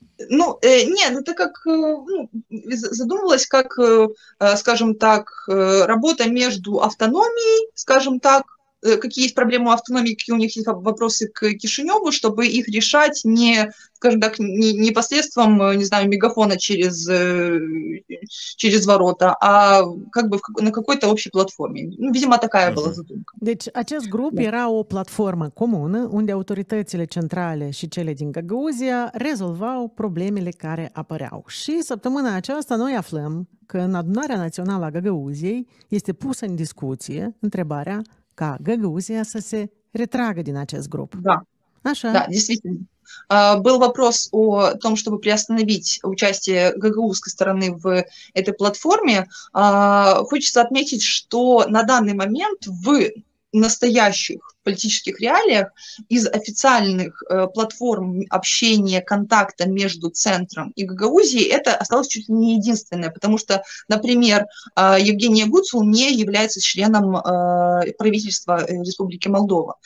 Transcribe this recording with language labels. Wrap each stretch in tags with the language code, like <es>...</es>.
<ru>Ну, нет, это как, ну, задумывалось как, скажем так, работа между автономией, скажем так, какие есть проблемы у автономии, какие у них есть вопросы к Кишиневу, чтобы их решать не, скажем так, не посредством, не знаю, мегафона через ворота, а как бы на какой-то общей платформе. Ну, видимо, такая была задумка.</ru> <ro>Deci, acest grup era o platformă comună unde autoritățile centrale și cele din Gagauzia rezolvau problemele care apăreau. Și săptămâna aceasta noi aflăm că în adunarea națională a Gagauziei este pusă în discuție întrebarea ca Gagauzia să se retragă din acest grup. Așa.</ro> <ru>Да, действительно. Был вопрос о том, чтобы приостановить участие гагаузской стороны в этой платформе. Хочется отметить, что на данный момент в настоящих политических реалиях из официальных платформ общения, контакта между центром и Гагаузией это осталось чуть ли не единственное, потому что, например, Евгения Гуцул не является членом правительства Республики Молдова.</ru>